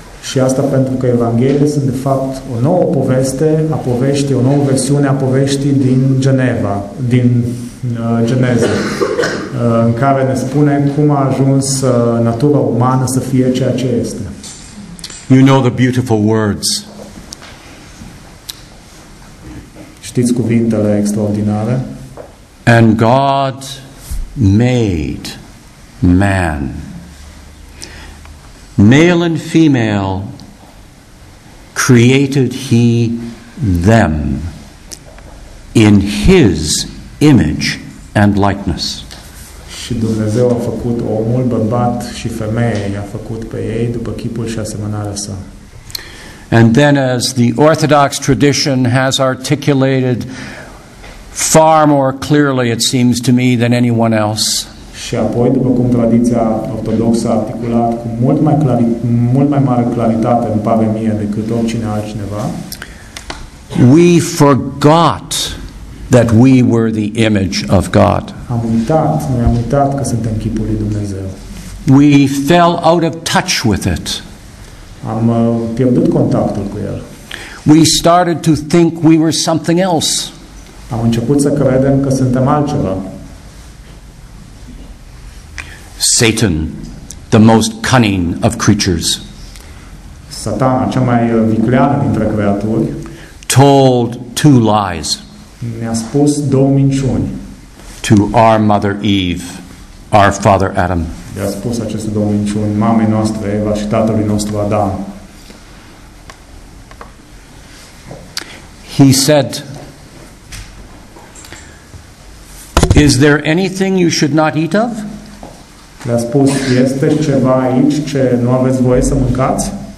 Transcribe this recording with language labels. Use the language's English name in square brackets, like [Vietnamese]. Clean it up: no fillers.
[Romanian] Și asta pentru că Evanghelia sunt de fapt o nouă poveste a poveștii, o nouă versiune a poveștii din Geneva, din Geneza, în care ne spune cum a ajuns natura umană să fie ceea ce este. [English] You know the beautiful words. [Romanian] Știți cuvintele extraordinare? [English] And God made man. Male and female created he them in his image and likeness. [Romanian] Și Dumnezeu a făcut omul, bărbat și femeie, i-a făcut pe ei după chipul și asemănarea sa. [English] And then as the Orthodox tradition has articulated far more clearly, it seems to me, than anyone else. [Romanian] Și apoi, după cum tradiția ortodoxă a articulat cu mult mai mare claritate, îmi pare mie, decât oricine altcineva. [English] We forgot that we were the image of God. [Romanian] Noi am uitat că suntem chipul lui Dumnezeu. [English] We fell out of touch with it. [Romanian] Am pierdut contactul cu el. [English] We started to think we were something else. [Romanian] Am început să credem că suntem altceva. [English] Satan, the most cunning of creatures, [Romanian] Satana, cea mai vicleană dintre creaturi, [English] told two lies. [Romanian] Ne-a spus două minciuni. [English] To our mother Eve, our father Adam. [Romanian] Ne-a spus aceste două minciuni mamei noastre Eva și tatălui nostru Adam. [English] He said, "Is there anything you should not eat of?" [Romanian] Le-a spus, este ceva aici ce nu aveți voie să mâncați?